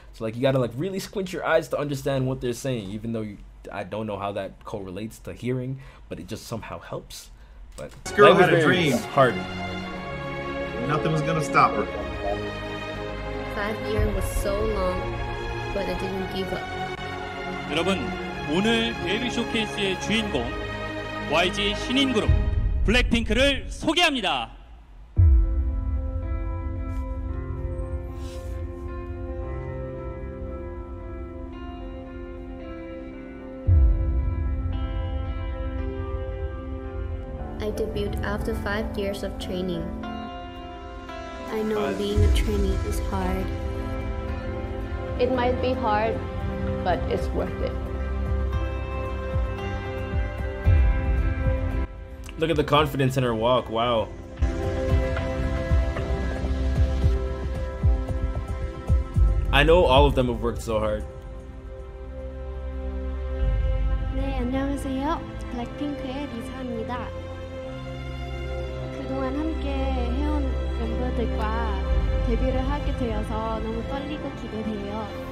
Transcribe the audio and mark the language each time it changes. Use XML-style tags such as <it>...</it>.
<en>So like, you gotta like really squint your eyes to understand what they're saying, even though I don't know how that correlates to hearing, but it just somehow helps. But this girl had a dream. Hard. Nothing was gonna stop her. 5 years was so long, but I didn't give up.</en> <ko>여러분, 오늘 데뷔 쇼케이스의 주인공 YG 신인 그룹 블랙핑크를 소개합니다.</ko> <en>I debuted after 5 years of training. I know being a trainee is hard. It might be hard, but it's worth it. Look at the confidence in her walk, wow. I know all of them have worked so hard.</en> <ko>네, 안녕하세요. 블랙핑크의 리사입니다. 그동안 함께 해온 멤버들과 데뷔를 하게 되어서 너무 떨리고 기대돼요.</ko>